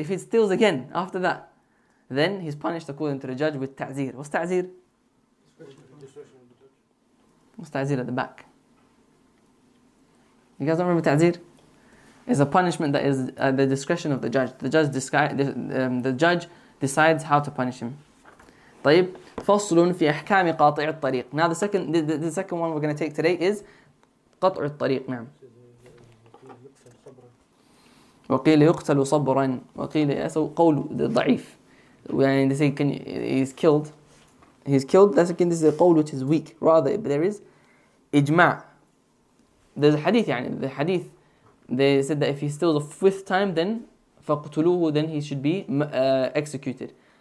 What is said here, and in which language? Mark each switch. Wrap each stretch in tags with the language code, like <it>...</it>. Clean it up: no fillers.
<en>If he steals again after that, then he's punished according to the judge with ta'zir. What's ta'zir? What's ta'zir at the back? You guys don't remember ta'zir? It's a punishment that is at the discretion of the judge. The judge decides how to punish him.</en> <ar>طيب فَصْلٌ فِي أَحْكَامِ قَاطِعِ الطَّرِيقِ.</ar> <en>Now the second one we're going to take today is</en> <ar>قَطْعُ الطَّرِيقِ. نعم. وقيل يقتل صبرا وقيل يسو قول ضعيف.</ar> <en>When they say he's killed, that's again, this is a qawl which is weak. Rather, there is ijma'. There's a hadith, they said that if he steals a fifth time, then فَقْتُلُوهُ, then he should be executed.</en>